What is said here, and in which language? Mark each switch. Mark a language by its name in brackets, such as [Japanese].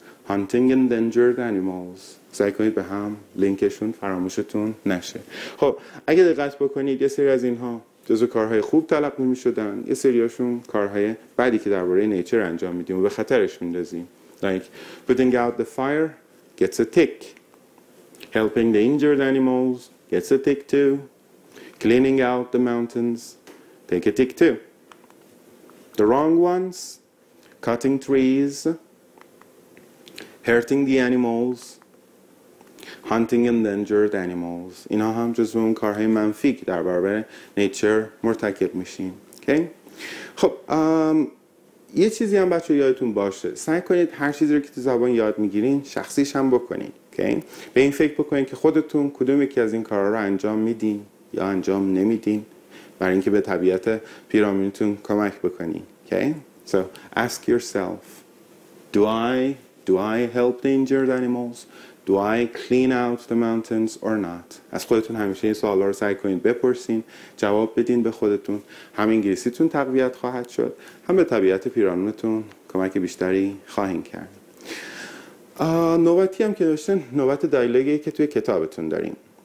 [English] Hunting endangered animals. [Persian] سعی کنید به هم لینکشون فراموشتون نشه. خب اگه دقت بکنید یه سری از اینها جزو کارهای خوب تلقی می شدن، یه سریاشون کارهای بدی که درباره نیچر انجام میدیم و به خطرش میندازیم. [English] Like putting out the fire gets a tick. Helping the injured animals gets a tick too. Cleaning out the mountains take a tick too. The wrong ones, cutting trees, hurting the animals, hunting endangered animals. [Persian] اینا هم جزو اون کارهای منفی در برابر نیچر مرتکب میشین. [English] Okay? [Persian] خب یه چیزی هم بچه یادتون باشه، سعی کنید هر چیزی رو که تو زبان یاد میگیرین شخصیش هم بکنین. [English] Okay? [Persian] به این فکر بکنین که خودتون کدوم یکی از این کارها رو انجام میدین یا انجام نمیدین، برای اینکه به طبیعت پیرامونتون کمک بکنین. [English] Okay? So ask yourself, do I help the injured animals? Do I clean out the mountains or not? [Persian] از خودتون همیشه این سوالا رو سعی کنید بپرسین، جواب بدین به خودتون. هم انگلیسیتون تقویت خواهد شد، هم به طبیعت پیرامونتون کمک بیشتری خواهید کرد. نوبتی هم که داشتن، نوبت دیالوگی که توی کتابتون داریم.